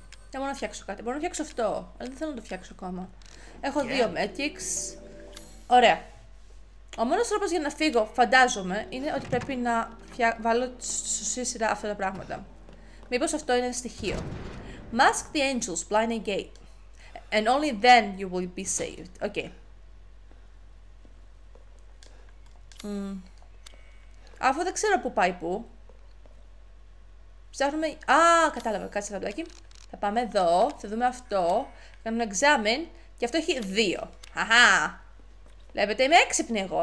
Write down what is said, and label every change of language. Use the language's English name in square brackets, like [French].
[Greek] Δεν μπορώ να φτιάξω κάτι. Μπορώ να φτιάξω αυτό. Αλλά δεν θέλω να το φτιάξω ακόμα. Έχω δύο medics. Ωραία. Ο μόνος τρόπος για να φύγω, φαντάζομαι, είναι ότι πρέπει να βάλω στη σωστή σειρά αυτά τα πράγματα. Μήπως αυτό είναι ένα στοιχείο. [English] Mask the angels, blind and gate. And only then you will be saved. Οκ. Okay. [Greek] Αφού δεν ξέρω πού πάει πού. Ψάχνουμε. Α, κατάλαβα. Κάτσε ένα λεπτάκι. Θα πάμε εδώ. Θα δούμε αυτό. Κάνουμε examine. Και αυτό έχει 2. Αχά. Βλέπετε, είμαι έξυπνη εγώ.